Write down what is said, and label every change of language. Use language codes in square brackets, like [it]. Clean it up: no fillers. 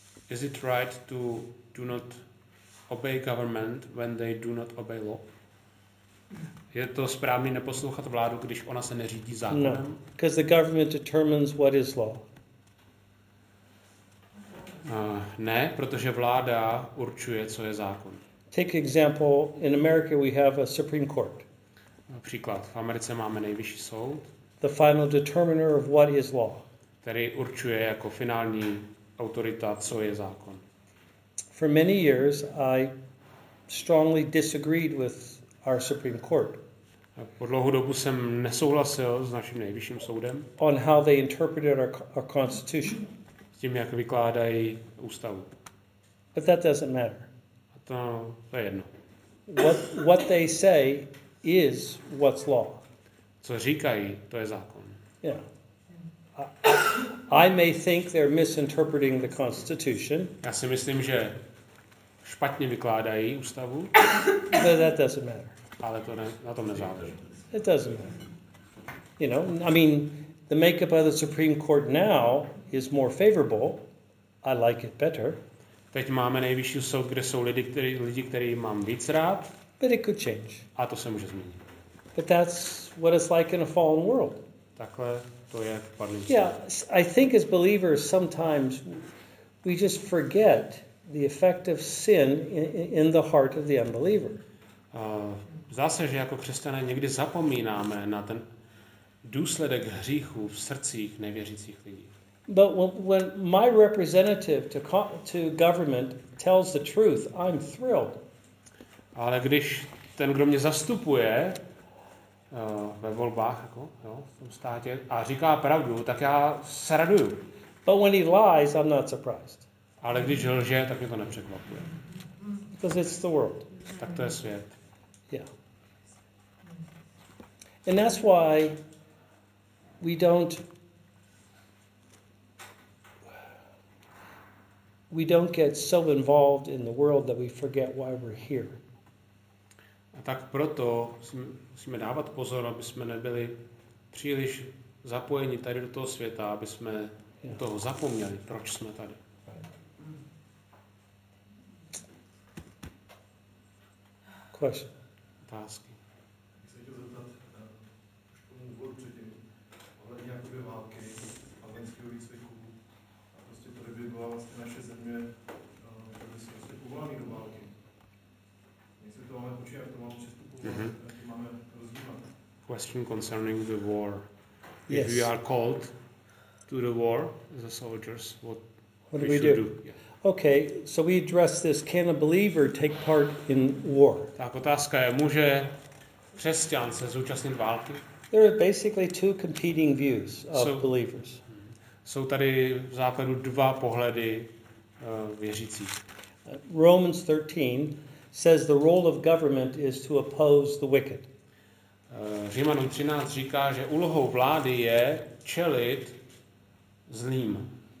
[en] Is it right to do not obey government when they do not obey law? [cs] Je to správný neposlouchat vládu, když ona se neřídí zákonem? [en] No, because the government determines what is law. [cs] Ne, protože vláda určuje, co je zákon. [en] Take example, in America we have a Supreme Court. [cs] Například, v Americe máme nejvyšší soud. [en] The final determiner of what is law. [cs] Který určuje jako finální autorita, co je zákon. [en] For many years I strongly disagreed with our Supreme Court. [cs] Po dlouhou dobu jsem nesouhlasil s naším nejvyšším soudem. [en] On how they interpreted our constitution. [cs] S tím, jak vykládají ústavu. [en] But that doesn't matter. [cs] To je jedno. [en] What they say is what's law. [cs] Co říkají, to je zákon. [en] Yeah. I may think they're misinterpreting the constitution. [cs] Já si myslím, že špatně vykládají ústavu. [en] But that doesn't matter. [cs] Ale to na tom nezáleží. [en] It doesn't matter. You know, I mean, the makeup of the Supreme Court now is more favorable. I like it better. [cs] Teď máme nejvyšší soud, kde jsou lidi, který mám víc rád. [en] But it could change. [cs] A to se může změnit. [en] But that's what it's like in a fallen world. [cs] Takhle to je v padlém světě. [en] Yeah, I think as believers sometimes we just forget the effect of sin in the heart of the unbeliever. [cs] Zdá se, že jako křesťané někdy zapomínáme na ten důsledek hříchu v srdcích nevěřících lidí. [en] But when my representative to government tells the truth, I'm thrilled. [cs] Ale když ten, kdo mě zastupuje ve volbách jako, jo, v tom státě a říká pravdu, tak já se raduju. [en] But when he lies, I'm not surprised. [cs] Ale když lže, tak mě to nepřekvapuje. [en] Because it's the world. [cs] Tak to je svět. [en] Yeah. And that's why we don't get so involved in the world that we forget why we're here. [cs] A tak proto musíme dávat pozor, aby jsme nebyli příliš zapojeni tady do toho světa, aby jsme toho zapomněli, proč jsme tady. Otázky. Když se chtěl zeptat už k tomu úvodu předtím, ohledně jakoby války a vojenského výcviku, a prostě tady by byla vlastně naše země, že by se prostě povolaný do války. My se to máme počít, jak to máme přistupovat, jak to máme rozdívat. [en] Question concerning the war. If we are called to the war as a soldiers, what we should do? Yeah. Okay, so we address this, can a believer take part in war? [cs] Tak otázka je, může křesťan se zúčastnit války? [en] There are basically two competing views of believers. [cs] Jsou tady v základu dva pohledy věřících. [en] Romans 13 says the role of government is to oppose the wicked. [cs] Římanům 13 říká, že úlohou vlády je čelit zlým.